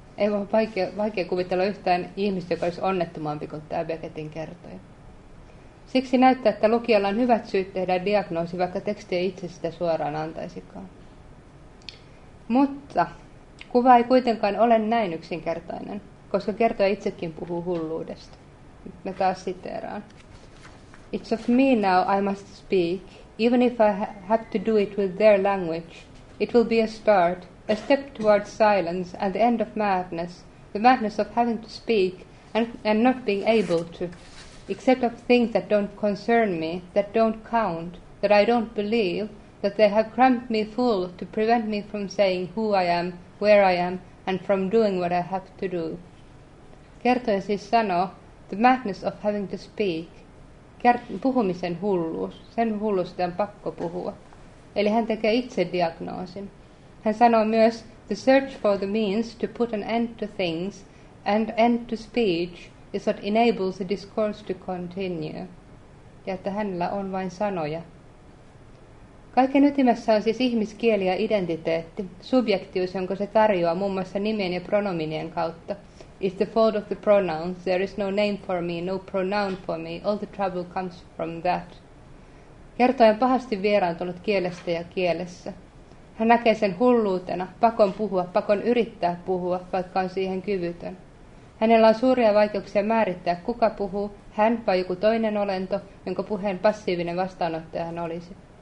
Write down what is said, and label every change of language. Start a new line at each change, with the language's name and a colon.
Finnish: Ei ole vaikea kuvitella yhtään ihmistä, joka olisi onnettomampi kuin tämä Beckettin kertoja. Siksi näyttää, että lukijalla on hyvät syyt tehdä diagnoosi, vaikka teksti ei itse sitä suoraan antaisikaan. Mutta kuva ei kuitenkaan ole näin yksinkertainen. koska kertoja itsekin puhuu hulluudesta. Mä taas siteeraan.
English: It's of me now I must speak, even if I have to do it with their language. It will be a start, a step towards silence and the end of madness, the madness of having to speak and not being able to, except of things that don't concern me, that don't count, that I don't believe, that they have cramped me full to prevent me from saying who I am, where I am, and from doing what I have to do.
Finnish: Kertoja siis sanoo,
English: the madness of having to speak.
Finnish: Puhumisen hulluus, sen hulluus, sitä on pakko puhua. Eli hän tekee itse diagnoosin. Hän sanoo myös,
English: the search for the means to put an end to things and end to speech is what enables the discourse to continue.
Finnish: Ja että hänellä on vain sanoja. Kaiken ytimessä on siis ihmiskieli ja identiteetti, subjektius, jonka se tarjoaa muun muassa nimien ja pronominien kautta.
English: It's the fault of the pronouns, there is no name for me, no pronoun for me, all the trouble comes from that.
Finnish: Kertoja on pahasti vieraantunut kielestä ja kielessä. Hän näkee sen hulluutena, pakon puhua, pakon yrittää puhua, vaikka on siihen kyvytön. Hänellä on suuria vaikeuksia määrittää, kuka puhuu, hän vai joku toinen olento, jonka puheen passiivinen vastaanottaja hän olisi.